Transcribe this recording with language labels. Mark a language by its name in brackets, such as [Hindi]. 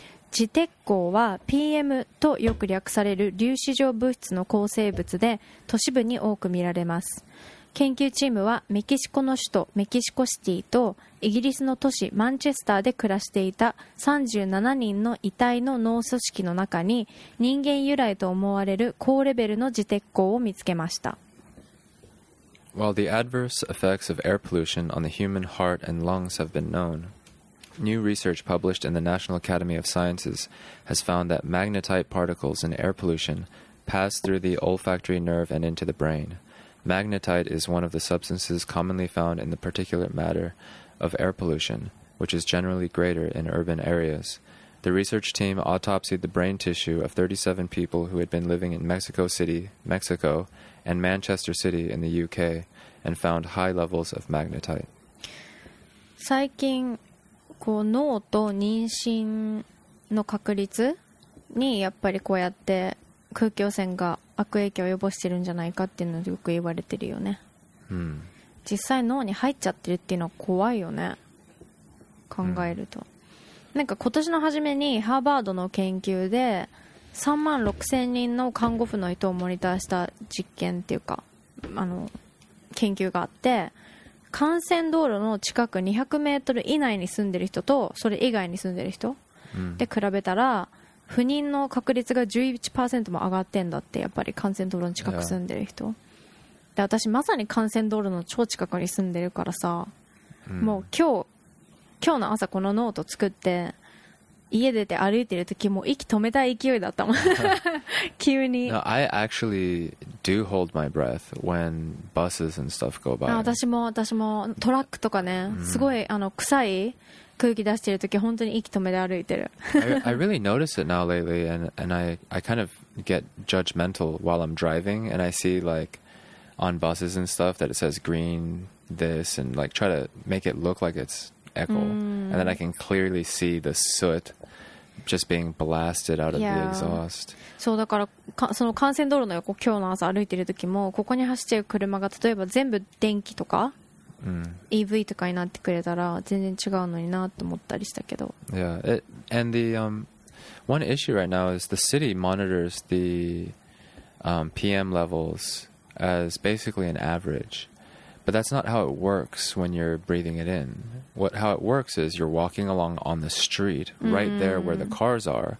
[Japanese] 磁鉄鋼は PM とよく略される粒子状物質の構成物で、都市部に多く見られます。研究チームはメキシコの首都メキシコシティとイギリスの都市マンチェスターで暮らしていた37人の遺体の脳組織の中に人間由来と思われる高レベルの磁鉄鋼を見つけました。 [English] While the adverse effects of air pollution on the human heart and lungs have been known, new research published in the National Academy of Sciences has found that magnetite particles in air pollution pass through the olfactory nerve and into the brain. Magnetite is one of the substances commonly found in the particulate matter of air pollution, which is generally greater in urban areas. The research team autopsied the brain tissue of 37 people who had been living in Mexico City, Mexico, and Manchester City in the UK, and found high levels of magnetite. [Japanese] 最近、こう脳と妊娠の確率にやっぱりこうやって空気汚染が悪影響を及ぼしてるんじゃないかっていうのをよく言われてるよね。実際脳に入っちゃってるっていうのは怖いよね、考えると。なんか今年の初めにハーバードの研究で3万6000人の看護婦の人をモニターした実験っていうか、あの研究があって、幹線道路の近く200メートル以内に住んでる人とそれ以外に住んでる人で比べたら、不妊の確率が 11% も上がってんだって。やっぱり幹線道路の近く住んでる人、yeah. で、私まさに幹線道路の超近くに住んでるからさ、もう今日の朝このノート作って家出て歩いてる時もう息止めたい勢いだったもん。急に。 [English] No, I actually do hold my breath when buses and stuff go by. [Japanese] 私もトラックとかね、すごいあの臭い空気出してる時本当に息止めて歩いてる。 [English] I really notice it now lately, and I kind of get judgmental while I'm driving, and I see like on buses and stuff that it says green this, and like try to make it look like it's eco, and then I can clearly see the soot just being blasted out of the exhaust. [Japanese] そうだから、その幹線道路の横、今日の朝歩いてる時も、ここに走ってる車が例えば全部電気とか、EV とかになってくれたら全然違うのになと思ったりしたけど。 [English] Yeah, it, and the one issue right now is the city monitors the PM levels as basically an average. But that's not how it works when you're breathing it in. What, how it works is you're walking along on the street right there where the cars are.